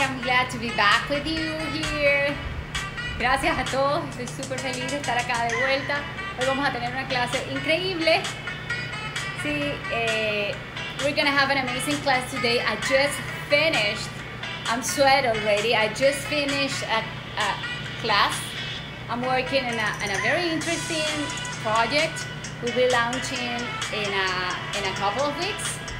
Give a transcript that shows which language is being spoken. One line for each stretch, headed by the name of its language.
English: I'm glad to be back with you here.
Spanish: Gracias a todos, estoy súper feliz de estar acá de vuelta. Hoy vamos a tener una clase increíble.
English: Sí, we're gonna have an amazing class today. I just finished, I'm sweat already. I just finished a class. I'm working in a very interesting project. We'll be launching in a couple of weeks.